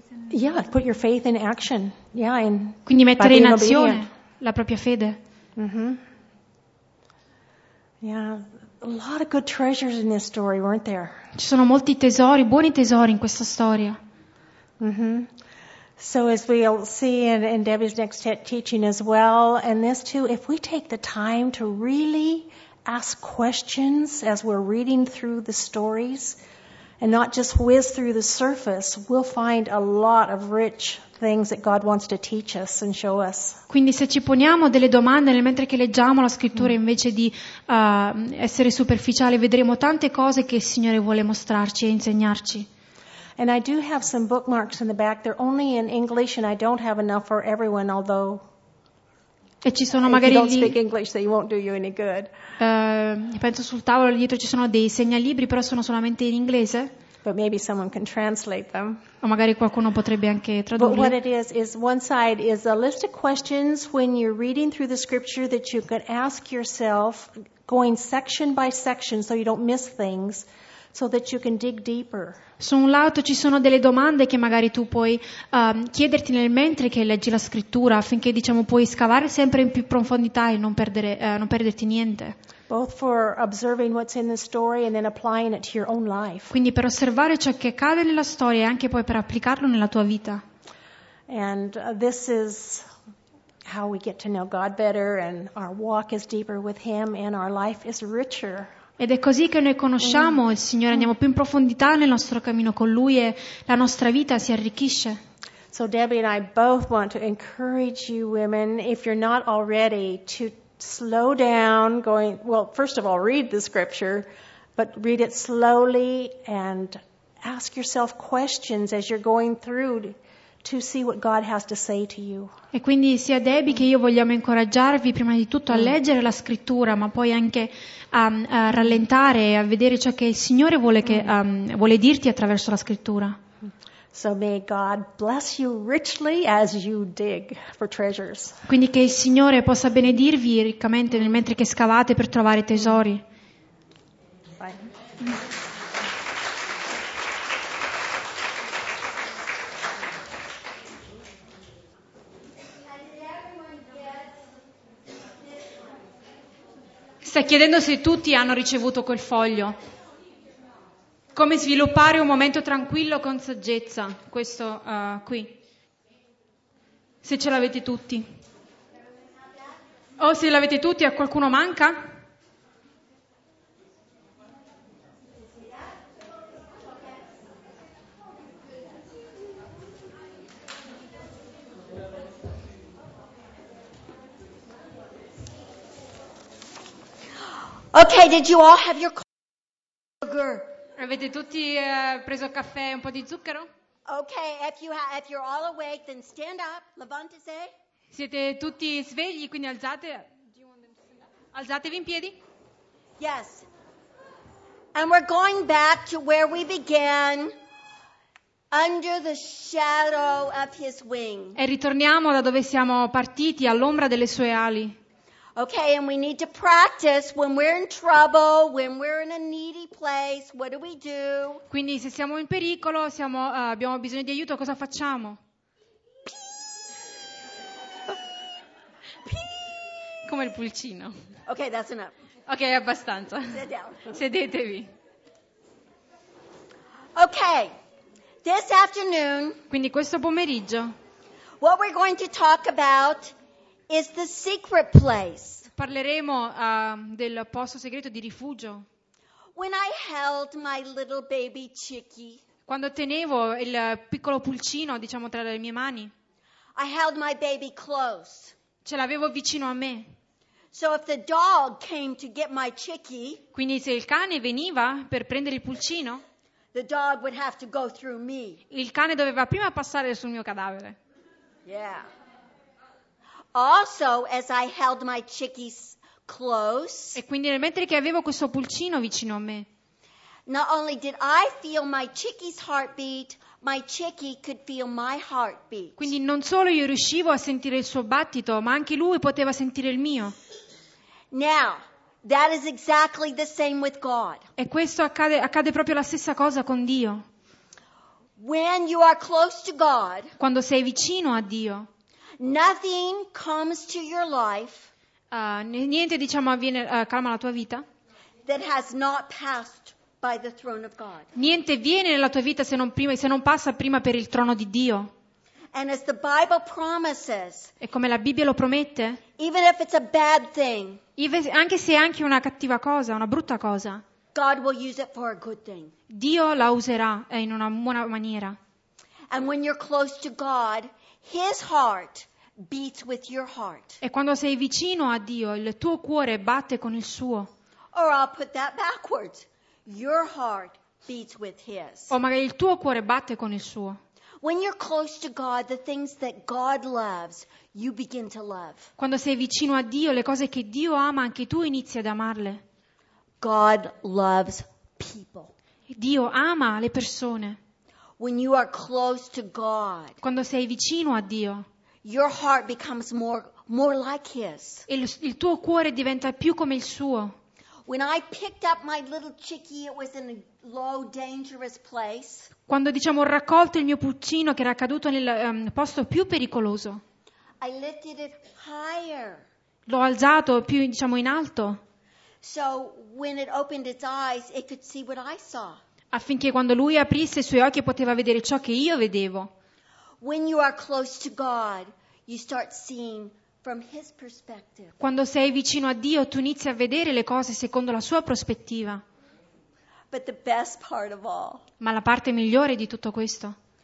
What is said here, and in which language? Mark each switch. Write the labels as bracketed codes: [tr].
[en] Yeah, put your faith in action. Yeah, in, [it] quindi mettere in azione la propria fede. [en] Yeah, a lot of good treasures in this story, weren't there? [it] Ci sono molti tesori, buoni tesori in questa storia. [en] So as we'll see in Debbie's next teaching as well, and this too, if we take the time to really ask questions as we're reading through the stories, and not just whiz through the surface, we'll find a lot of rich things that God wants to teach us and show us. [it] Quindi se ci poniamo delle domande nel mentre che leggiamo la scrittura invece di essere superficiali, vedremo tante cose che il Signore vuole mostrarci e insegnarci. [en] And I do have some bookmarks in the back. They're only in English and I don't have enough for everyone, although [it] e ci sono magari [en] if you don't speak English, they won't do you any good. [it] Penso sul tavolo dietro ci sono dei segnalibri, però sono solamente in inglese. [en] But maybe someone can translate them. [it] O magari qualcuno potrebbe anche tradurli. [en] But what it is one side is a list of questions when you're reading through the scripture that you could ask yourself going section by section so you don't miss things, so that you can dig deeper. [it] Su un lato ci sono delle domande che magari tu puoi chiederti nel mentre che leggi la scrittura affinché diciamo puoi scavare sempre in più profondità e non perderti niente. [en] Both for observing what's in the story and then applying it to your own life. [it] Quindi per osservare ciò che accade nella storia e anche poi per applicarlo nella tua vita. [en] And this is how we get to know God better and our walk is deeper with him and our life is richer. [it] Ed è così che noi conosciamo il Signore, andiamo più in profondità nel nostro cammino con Lui e la nostra vita si arricchisce. [en] So Debbie and I both want to encourage you women, if you're not already, to slow down going, well, first of all, read the scripture, but read it slowly and ask yourself questions as you're going through to see what God has to say to you. [it] E quindi sia Debbie che io vogliamo incoraggiarvi prima di tutto a leggere la scrittura, ma poi anche a rallentare e a vedere ciò che il Signore vuole che vuole dirti attraverso la scrittura. [en] So may God bless you richly as you dig for treasures. [it] Quindi che il Signore possa benedirvi riccamente nel mentre che scavate per trovare tesori. [en] Bye. [it] Sta chiedendo se tutti hanno ricevuto quel foglio. Come sviluppare un momento tranquillo con saggezza. Questo qui. Se ce l'avete tutti. O se l'avete tutti, a qualcuno manca? [en] Okay, did you all have your sugar? [it] Avete tutti preso caffè e un po' di zucchero? [en] Okay, if you're all awake, then stand up. [es] Levantese. [it] Siete tutti svegli, quindi alzate. [en] Do you want them to stand up? [it] Alzatevi in piedi. [en] Yes. And we're going back to where we began, under the shadow of his wing. [it] E ritorniamo da dove siamo partiti, all'ombra delle sue ali. [en] Okay, and we need to practice when we're in trouble, when we're in a needy place, what do we do? [it] Quindi se siamo in pericolo, abbiamo bisogno di aiuto, cosa facciamo? Pee! Come il pulcino. [en] Okay, that's enough. [it] Okay, abbastanza. [en] Sit down. [it] Sedetevi. [en] Okay, this afternoon. [it] Quindi questo pomeriggio. [en] What we're going to talk about is the secret place. [it] Parleremo del posto segreto di rifugio. [en] When I held my little baby chickie. [it] Quando tenevo il piccolo pulcino, diciamo tra le mie mani. [en] I held my baby close. [it] Ce l'avevo vicino a me. [en] So if the dog came to get my chickie. [it] Quindi se il cane veniva per prendere il pulcino. [en] The dog would have to go through me. [it] Il cane doveva prima passare sul mio cadavere. [en] Yeah. Also, as I held my chickies close, [it] e quindi nel mentre che avevo questo pulcino vicino a me, [en] not only did I feel my chickie's heartbeat, my chickie could feel my heartbeat. [it] Quindi non solo io riuscivo a sentire il suo battito, ma anche lui poteva sentire il mio. [en] Now, that is exactly the same with God. [it] E questo accade proprio la stessa cosa con Dio. [en] When you are close to God, [it] quando sei vicino a Dio, [en] nothing comes to your life. [it] Niente, diciamo, avviene, calma la tua vita. [en] That has not passed by the throne of God. [it] Niente viene nella tua vita se non prima, se non passa prima per il trono di Dio. [en] And as the Bible promises, [it] e come la Bibbia lo promette, [en] even if it's a bad thing, [it] anche se è anche una cattiva cosa, una brutta cosa, [en] God will use it for a good thing. [it] Dio la userà in una buona maniera. [en] And when you're close to God, His heart beats with your heart. [it] E quando sei vicino a Dio, il tuo cuore batte con il suo. [en] Or I'll put that backwards. Your heart beats with His. [it] O magari il tuo cuore batte con il suo. [en] When you're close to God, the things that God loves, you begin to love. [it] Quando sei vicino a Dio, le cose che Dio ama, anche tu inizi ad amarle. [en] God loves people. [it] Dio ama le persone. [en] When you are close to God, [it] quando sei vicino a Dio, [en] your heart becomes more like His. [it] Il tuo cuore diventa più come il suo. [en] When I picked up my little chickie, it was in a low, dangerous place. [it] Quando, diciamo, ho raccolto il mio pulcino che era caduto nel posto più pericoloso, [en] I lifted it higher. [it] L'ho alzato più, diciamo, in alto. [en] So when it opened its eyes, it could see what I saw. [it] Affinché quando lui aprisse i suoi occhi poteva vedere ciò che io vedevo. [en] When you are close to God, you start seeing from His perspective. [it] Quando sei vicino a Dio, tu inizi a vedere le cose secondo la sua prospettiva. [en] But the best part of all, [it] ma la parte migliore di tutto questo,